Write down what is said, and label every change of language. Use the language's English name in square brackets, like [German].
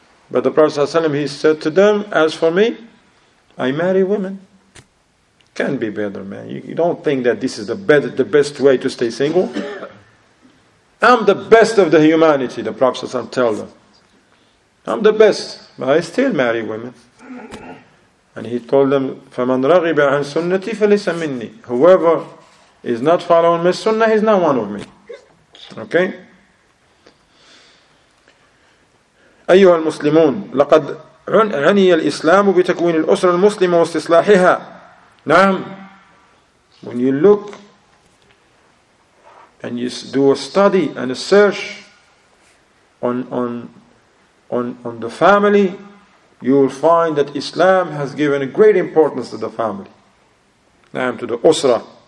[English] But the Prophet ﷺ, he said to them, as for me, I marry women. Can be better, man. You don't think that this is the best way to stay single? I'm the best of the humanity, the Prophet ﷺ tells them. I'm the best, but I still marry women. And he told them, [Arabic] فَمَنْ رَغِبَ عَنْ سُنَّةِ فَلِسَ مِنِّي. [English] Whoever is not following my sunnah, he's not one of me. Okay? [Arabic] أيها المسلمون لقد عني الإسلام بتكوين الأسرة المسلمة واستصلاحها. نعم. [English] When you look and you do a study and a search on the family, you will find that Islam has given a great importance to the family. نعم, to the أسرة.